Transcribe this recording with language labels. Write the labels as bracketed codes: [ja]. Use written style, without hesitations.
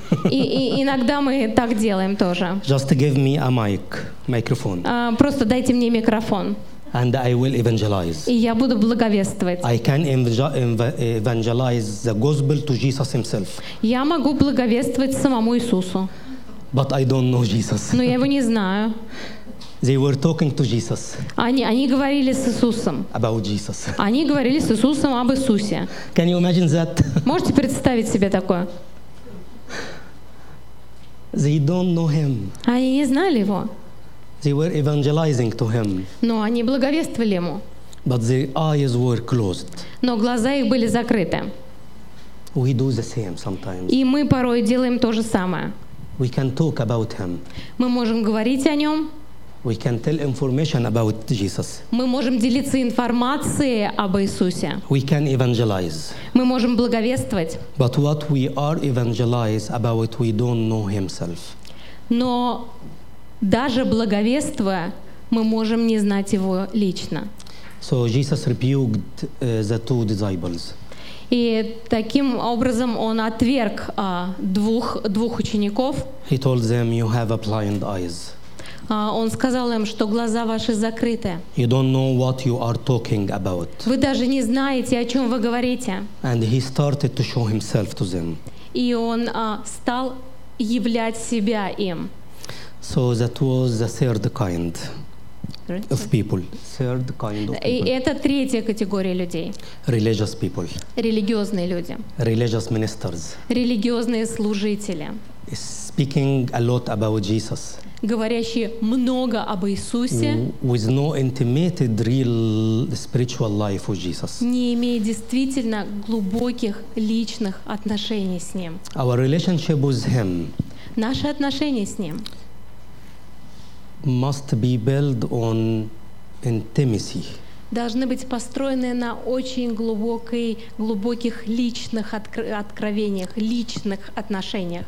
[ru] И иногда мы так делаем тоже. [en] Just give me a mic, microphone. [ru] Просто дайте мне микрофон. [en] And I will evangelize. [ru] И я буду благовествовать. [en] I can evangelize the gospel to Jesus himself. [ru] Я могу благовествовать самому Иисусу. [en] But I don't know Jesus. [ru] Но я его не знаю. [en] They were talking to Jesus. [ru] Они говорили с Иисусом. [en] About Jesus. [ru] Они говорили с Иисусом об Иисусе. [en] Can you imagine that? [ru] Можете представить себе такое? [en] They don't know him. [ru] Они не знали его. [en] They were evangelizing to him. [ru] Но они благовествовали ему. [en] But their eyes were closed. [ru] Но глаза их были закрыты. [en] We do the same sometimes. [ru] И мы порой делаем то же самое. [en] We can talk about him. [ru] Мы можем говорить о нем. [en] We can tell information about Jesus. [ru] Мы можем делиться информацией об Иисусе. [en] We can evangelize. [ru] Мы можем благовествовать. [en] But what we are evangelize about, we don't know himself. [ru] Но даже благовествуя, мы можем не знать его лично. [en] So Jesus rebuked the two disciples. [ru] И таким образом он отверг двух учеников. [en] He told them, you have blind eyes. [ru] Он сказал им, что глаза ваши закрыты. [en] You don't know what you are talking about. [ru] Вы даже не знаете, о чем вы говорите. [en] And he started to show himself to them. [ru] И он стал являть себя им. [en] So that was the third kind of people. Third kind of people. [ru] И это третья категория людей. [en] Religious people. [ru] Религиозные люди. [en] Religious ministers. [ru] Религиозные служители. [en] Speaking a lot about Jesus. [ru] Говорящие много об Иисусе. [en] With no intimate real spiritual life with Jesus. [ru] Не имея действительно глубоких личных отношений с Ним. [en] Our relationship with Him. [ru] Наши отношения с Ним. [en] Must be built on intimacy. [ru] Должны быть построены на очень глубоких личных откровениях, личных отношениях.